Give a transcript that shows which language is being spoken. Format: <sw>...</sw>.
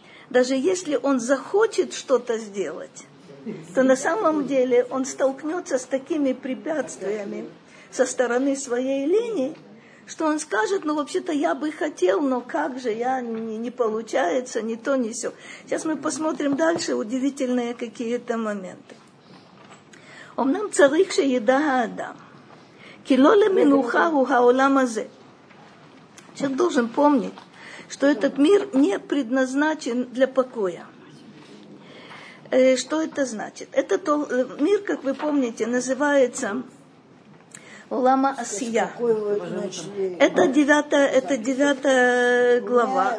<ru>Даже если он захочет что-то сделать, то на самом деле он столкнется с такими препятствиями со стороны своей лени, что он скажет, ну вообще-то я бы хотел, но как же, я не получается, ни то, ни сё. Сейчас мы посмотрим дальше удивительные какие-то моменты.</ru> <he>אמנם צריך שידע האדם, כי לא למנוחה הוא העולם הזה.</he> <ru>Человек должен помнить, что этот мир не предназначен для покоя. Что это значит? Этот мир, как вы помните, называется Лама Асия. Это девятая глава.</ru>